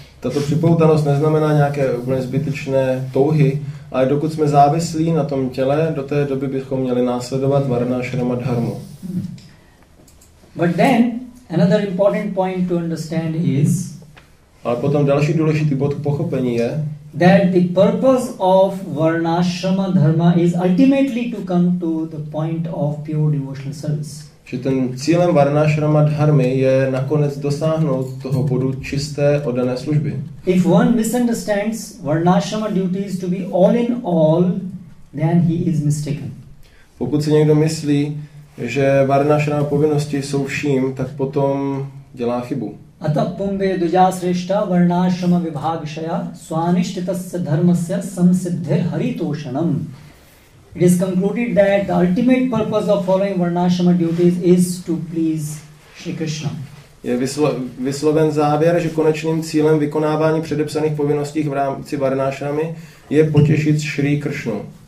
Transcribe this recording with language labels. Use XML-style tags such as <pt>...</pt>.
<cs>Tato připoutanost neznamená nějaké úplně zbytečné touhy, ale dokud jsme závislí na tom těle, do té doby bychom měli následovat varnashrama dharmu.</cs> <en>But then another important point to understand is,</en> <cs>ale potom další důležitý bod k pochopení je,</cs> <en>that the purpose of varnashrama dharma is ultimately to come to the point of pure devotional service.</en> <cs>Že ten cílem varnashrama dharmy je nakonec dosáhnout toho bodu čisté oddané služby.</cs> <en>If one misunderstands varnashrama duties to be all in all, then he is mistaken.</en> <cs>Pokud si někdo myslí, že varnashrama povinnosti jsou vším, tak potom dělá chybu.</cs> <sa>Atap pumbe duja srishta varnashrama vibhagshaya swanishtitasya dharmasya samsiddhir haritoshanam.</sa> <en>It is concluded that the ultimate purpose of following varnashrama duties is to please Shri Krishna.</en> <cs>Je vysloven závěr, že konečným cílem vykonávání předepsaných povinností v rámci varnashramy je potěšit Shri Krishnu.</cs>